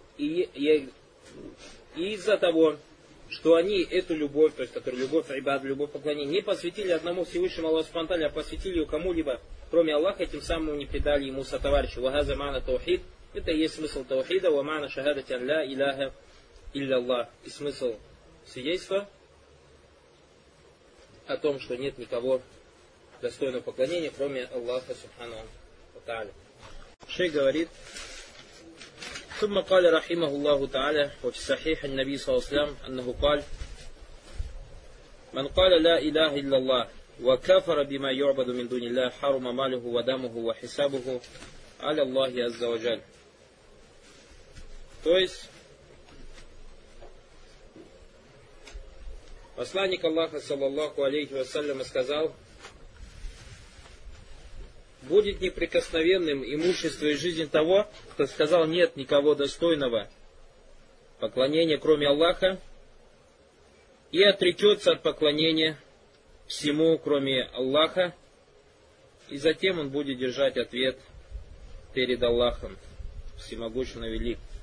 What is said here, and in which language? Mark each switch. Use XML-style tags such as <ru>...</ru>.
<ru>И из-за того, что они эту любовь, то есть которую любовь, ибад, любовь поклонения, не посвятили одному Всевышнему Аллаху Субхану Тааля, а посвятили ее кому-либо, кроме Аллаха, этим самым не предали ему сотоварища.</ru> <ar>وَهَذَا مَعْنَ التَّوْحِيد.</ar> <ru>Это и есть смысл таухида.</ru> <ar>وَمَعْنَ شَهَادَةِ أَنْ لَا إِلَهَ إِلَّا اللَّهُ.</ar> <ru>И смысл свидетельства о том, что нет никого достойного поклонения, кроме Аллаха Субхану Тааля. Шейх говорит,</ru> <ar>ثم قال رحمه الله تعالى وفي صحيح النبي صلى الله عليه وسلم أنه قال من قال لا إله إلا الله وكفر بما يعبد من دون الله حرم ماله ودمه وحسابه على الله عز وجل.</ar> <ru>То есть посланник Аллаха</ru> <ar>صلى الله عليه وسلم</ar> <ru>сказал: будет неприкосновенным имущество и жизнь того, кто сказал: нет никого достойного поклонения, кроме Аллаха, и отрекется от поклонения всему, кроме Аллаха, и затем он будет держать ответ перед Аллахом, всемогущим и велик.</ru>